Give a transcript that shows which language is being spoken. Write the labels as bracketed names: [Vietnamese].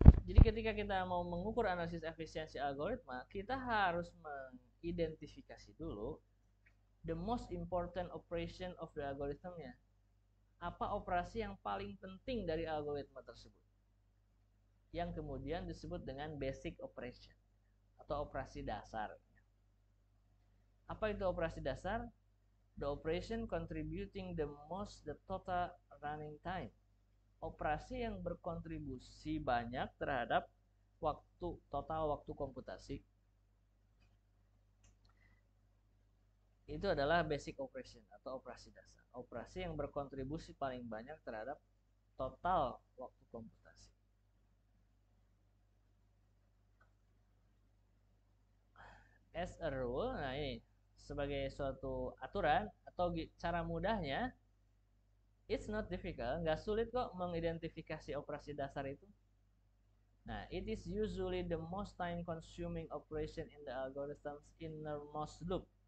[Indonesian] Jadi ketika kita mau mengukur analisis efisiensi algoritma, kita harus mengidentifikasi dulu [English] the most important operation of the algorithm-nya. [Indonesian] Apa operasi yang paling penting dari algoritma tersebut? Yang kemudian disebut dengan basic operation atau operasi dasar. Apa itu operasi dasar? [English] The operation contributing the most the total running time. [Indonesian] Operasi yang berkontribusi banyak terhadap waktu total waktu komputasi. Itu adalah basic operation atau operasi dasar. Operasi yang berkontribusi paling banyak terhadap total waktu komputasi. [English] As a rule, [Indonesian] nah ini sebagai suatu aturan atau cara mudahnya, [English] it's not difficult, [Indonesian] nggak sulit kok mengidentifikasi operasi dasar itu. [English] Nah, it is usually the most time consuming operation in the algorithm's innermost loop.